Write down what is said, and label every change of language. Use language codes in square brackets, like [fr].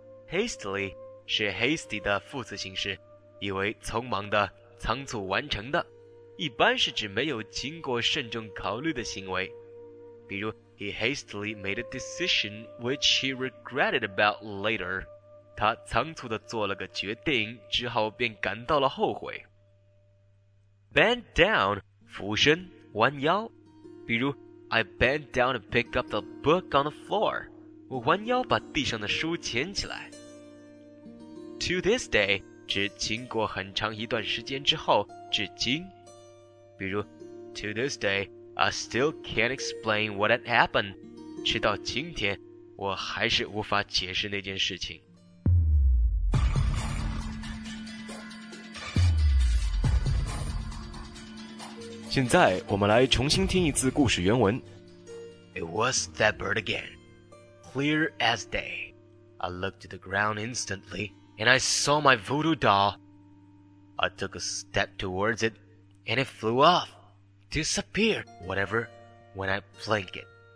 [zh] Hastily 是 hasty 的副词形式，意为匆忙的、仓促完成的。一般是指没有经过慎重考虑的行为，比如 [en] He hastily made a decision which he regretted about later. [zh] 他仓促地做了个决定，之后便感到了后悔。 [en] Bend down, [zh] 俯身，弯腰，比如 [en] I bent down to pick up the book on the floor. [zh] 我弯腰把地上的书捡起来。 To this day, 指经过很长一段时间之后，至今。比如 [en] To this day, I still can't explain what had happened. [zh] 直到今天，我还是无法解释那件事情。现在我们来重新听一次故事原文。 [en] It was that bird again, clear as day. I looked at the ground instantly, and I saw my voodoo doll. I took a step towards itAnd it flew off, disappeared, whatever, when I blinked it.